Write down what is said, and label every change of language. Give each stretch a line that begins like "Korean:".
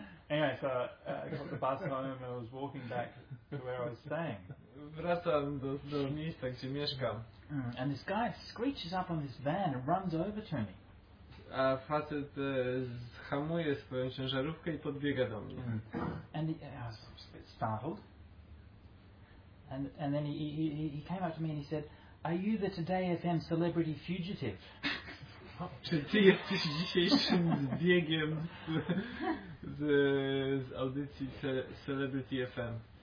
English: Anyway, so I got the bus home and I was walking back to where I was staying.
Polish: Wracam do miejsca, gdzie mieszkam.
English: And this guy screeches up on this van and runs over to me.
Polish: A facet hamuje swoją ciężarówkę i podbiega do mnie.
English: And I was a bit startled. And then he came up to me and he said, "Are you the Today FM celebrity fugitive?"
Polish: Czy ty jesteś dzisiejszym zbiegiem z audycji Celebrity FM?